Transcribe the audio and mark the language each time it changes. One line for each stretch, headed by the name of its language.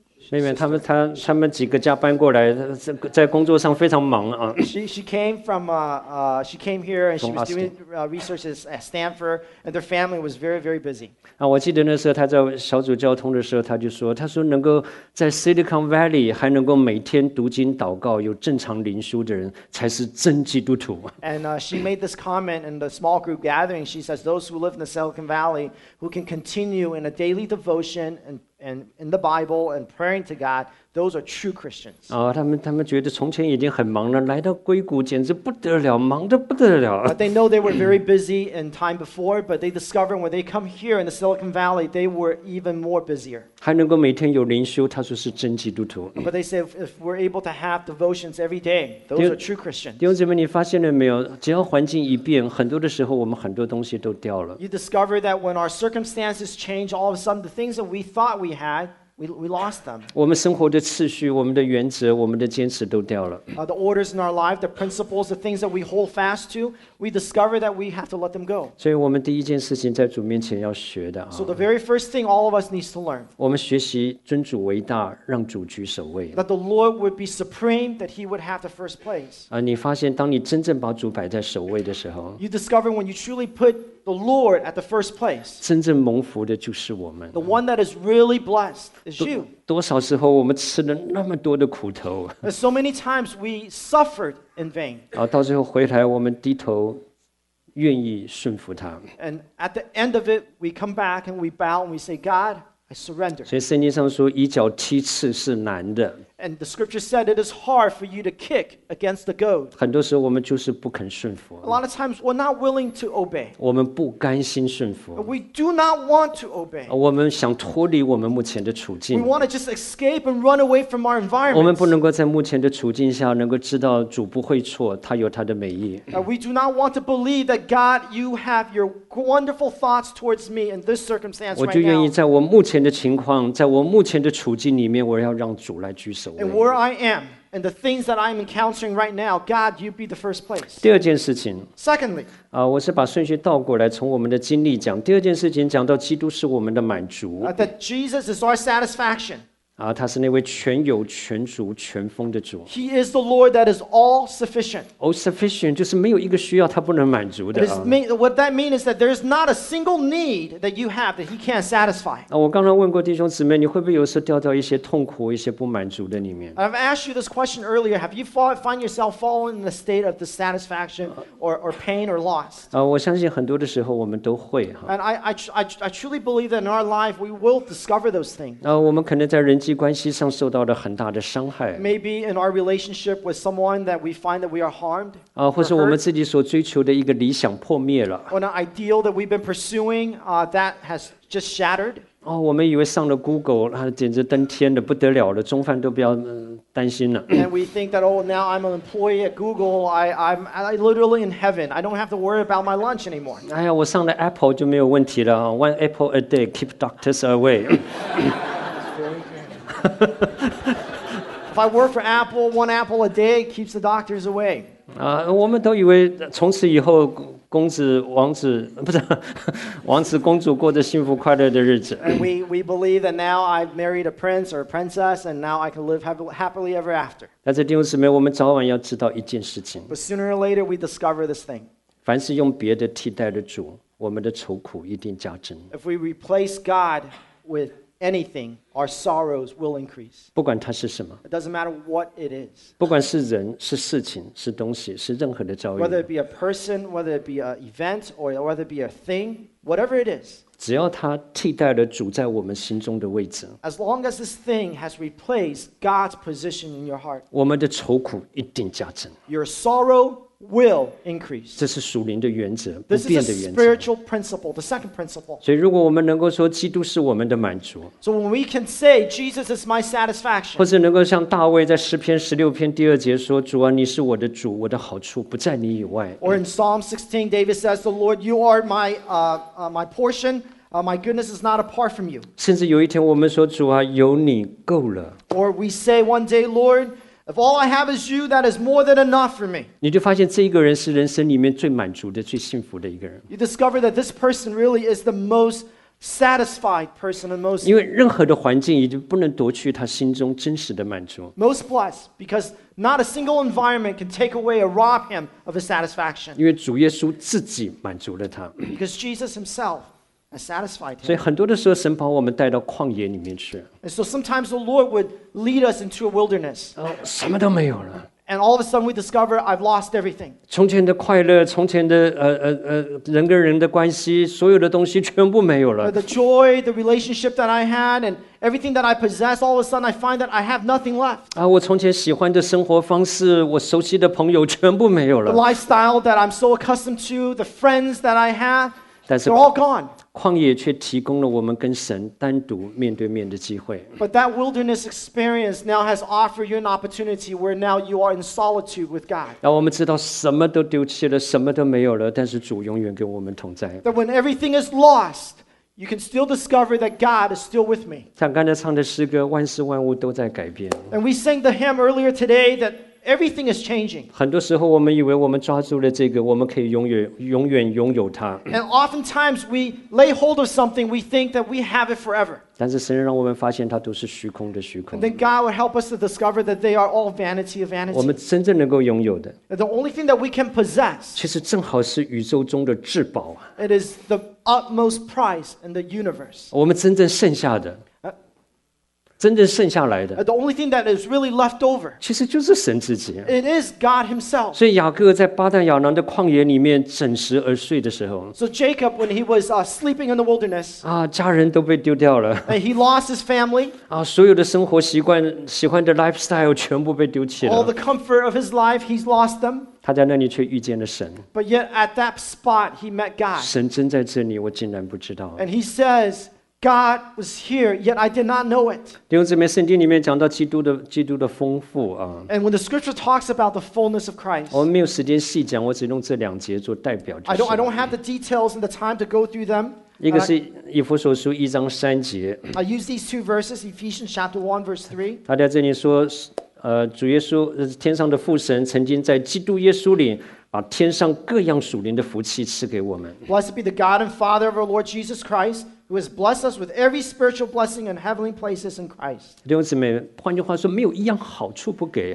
Chinese: 妹妹，他们几个家搬过来，在工作上非常忙啊。
English: She came from she came here and she was doing research at Stanford and their family was very very busy.
Chinese: 我记得那时候他在小组交通的时候，他说能够在 Silicon Valley 还能够每天读经祷告，有正常灵修的人才是真基督徒。
English: And she made this comment in the small group gathering. She says those who live in the Silicon Valley who can continue in a daily devotion and in the Bible and praying to God, those are true Christians.
Chinese: 他们觉得从前已经很忙了，来到硅谷简直不得了，忙得不得了。
English: But they know they were very busy in time before, but they discovered when they come here in the Silicon Valley, they were even more busier.
Chinese: 还能够每天有灵修，他说是真基督徒。
English: But they say if we're able to have devotions every day, those are true Christians.
Chinese: 弟兄姊妹，你发现了没有？只要环境一变，很多的时候我们很多东西都掉了。
English: You discover that when our circumstances change, all of a sudden the things that we thought we had. We lost them.
Chinese: 我们生活的秩序、我们的原则、我们的坚持都掉了。
English: The orders in our life, the principles, the things that we hold fast to, we discover that we have to let them go.
Chinese: 所以我们第一件事情在主面前要学的。
English: So the very first thing all of us needs to learn.
Chinese: 我们学习尊主为大，让主居首位。
English: That the Lord would be supreme, that He would have the first place.
Chinese: 你发现当你真正把主摆在首位的时候
English: ，You discover when you truly put the Lord at the first place.
Chinese: 真正蒙福的就是我们。
English: The one that is really blessed is you.
Chinese: 多少时候我们吃了那么多的苦头
English: ？And so many times we suffered in vain.
Chinese: 到最后回来我们低头。愿意顺服他。
English: And at the end of it, we come back and we bow and we say, God, I surrender.
Chinese: 所以圣经上说，一脚踢刺是难的。
English: And the scripture said it is hard for you to kick against the goad.
Chinese: 很多时候我们就是不肯顺服。
English: A lot of times we're not willing to obey.
Chinese: 我们不甘心顺服。
English: We do not want to obey.
Chinese: 我们想脱离我们目前的处境。
English: We want to just escape and run away from our environment.
Chinese: 我们不能够在目前的处境下能够知道主不会错，他有他的美意。
English: We do not want to believe that God, you have your wonderful thoughts towards me in this circumstance right now.
Chinese: 我就愿意在我目前的情况，在我目前的处境里面，我要让主来居首。
English: And where I am, and the things that I'm encountering right now, God, you be the first place.
Chinese: 第二件事情。
English: Secondly.
Chinese: 我是把顺序倒过来，从我们的经历讲。第二件事情讲到基督是我们的满足。
English: That Jesus is our satisfaction.
Chinese: 他是那位全有、全足、全丰的主。
English: He is the Lord that is all sufficient. All sufficient
Chinese: 就是没有一个需要他不能满足的。
English: What that means is that there is not a single need that you have that He can't satisfy.
Chinese: 我刚刚问过弟兄姊妹，你会不会有时候掉到一些痛苦、一些不满足的里面
English: ？I've asked you this question earlier. Have you find yourself falling in the state of dissatisfaction or pain or loss?
Chinese: 我相信很多的时候我们都会。
English: And I truly believe that in our life we will discover those things.
Chinese: 我们可能在人际关系上受到了很大的伤害
English: Maybe in our relationship with someone that we find that we are harmed
Chinese: 或是我们自己所追求的一个理想破灭了
English: Or an ideal that we've been pursuing that has just shattered
Chinese: 我们以为上了 Google 简直登天的不得了了中饭都不要担心了
English: And we think that oh now I'm an employee at Google I'm literally in heaven I don't have to worry about my lunch anymore
Chinese: 我上了 Apple 就没有问题了
English: One apple a day keep doctors away If I work for Apple, one apple a day keeps the doctors away.
Chinese: 我们都以为从此以后公子王子不是王子公主过着幸福快乐的日子。
English: And we believe that now I've married a prince or a princess, and now I can live happily ever after.
Chinese: 但是弟兄姊妹，我们早晚要知道一件事情。
English: But sooner or later, we discover this thing.
Chinese: 凡是用别的替代的主，我们的愁苦一定加增。
English: If we replace God with anything, our sorrows will increase.
Chinese: 不管它是什么。
English: It doesn't matter what it is.
Chinese: 不管是人、是事情、是东西、是任何的遭遇。
English: Whether it be a person, whether it be an event, or whether it be a thing, whatever it is.
Chinese: 只要它替代了主在我们心中的位置。
English: As long as this thing has replaced God's position in your heart.
Chinese: 我们的愁苦一定加增。
English: Your sorrow will increase.
Chinese: 这是属灵的原则，不变的原则。
English: This is a spiritual principle, the second principle.
Chinese: 所以如果我们能够说基督是我们的满足。
English: So when we can say Jesus is my satisfaction.
Chinese: 或者能够像大卫在诗篇十六篇第二节说，主啊，你是我的主，我的好处不在你以外。
English: Or in Psalm 16, David says, the Lord, you are my, my portion. My goodness is not apart from you.
Chinese: 甚至有一天我们说，主啊，有你够了。
English: Or we say one day, Lord,If all I have is you, that is more than enough for me.
Chinese: 你就发现这一个人是人生里面最满足的、最幸福的一个人。
English: You discover that this person really is the most satisfied person, the most.
Chinese: 因为任何的环境已经不能夺去他心中真实的满足。
English: Most blessed, because not a single environment can take away or rob him of his satisfaction.
Chinese: 因为主耶稣自己满足了他。
English: Because Jesus himself. Satisfied him.
Chinese: 所以很多的时候，神把我们带到旷野里面去。
English: And so sometimes the Lord would lead us into a wilderness.
Chinese: 什么都没有了。
English: And all of a sudden we discover I've lost everything.
Chinese: 从前的快乐，从前的人跟人的关系，所有的东西全部没有了。
English: The joy, the relationship that I had, and everything that I possess, all of a sudden I find that I have nothing left.
Chinese: 我从前喜欢的生活方式，我熟悉的朋友全部没有了。
English: The lifestyle that I'm so accustomed to, the friends that I have. They're all gone.
Chinese: 旷野却提供了我们跟神单独面对面的机会。
English: But that wilderness experience now has offered you an opportunity where now you are in solitude with God.
Chinese: 我们知道什么都丢弃了，什么都没有了，但是主永远跟我们同在。
English: That when everything is lost, you can still discover that God is still with me.
Chinese: 像刚才唱的诗歌，万事万物都在改变。
English: And we sang the hymn earlier today that Everything is changing.
Chinese: 很多时候我们以为我们抓住了这个，我们可以永远拥有它。
English: And oftentimes we lay hold of something, we think that we have it forever.
Chinese: 但是神让我们发现它都是虚空的虚空。
English: And then God would help us to discover that they are all vanity of vanity.
Chinese: 我们真正能够拥有的。
English: The only thing that we can possess.
Chinese: 其实正好是宇宙中的至宝。
English: It is the utmost prize in the universe.
Chinese: 我们真正剩下的。真正剩下来的
English: the only thing that is really left over,
Chinese: 其实就是神自己
English: it is God himself.
Chinese: 所以雅各在巴旦亚南的旷野里面枕石而睡的时候
English: so Jacob when he was sleeping in the wilderness,
Chinese: 啊，家人都被丢掉了
English: and he lost his family,
Chinese: 啊，所有的生活习惯喜欢的 lifestyle 全部被丢弃了
English: all the comfort of his life, he's lost them.
Chinese: 他在那里却遇见了神
English: but yet at that spot, he met God.
Chinese: 神真在这里我竟然不知道
English: and he says,God was here, yet I did not know it.
Chinese: 弟兄姊妹，圣经里面讲到基督的丰富啊。
English: And when the scripture talks about the fullness of Christ,
Chinese: 我们没有时间细讲，我只用这两节做代表。
English: I don't have the details and the time to go through them.
Chinese: 一个是以弗所书一章三节。
English: I use these two verses, Ephesians chapter 1 verse 3.
Chinese: 他在这里说，主耶稣，天上的父神曾经在基督耶稣里。把天上各样属灵的福气赐给我们。
English: Blessed be the God and Father of our Lord Jesus Christ, who has blessed us with every spiritual blessing in heavenly places in Christ.
Chinese: 弟兄姊妹，换句话说，没有一样好处不给。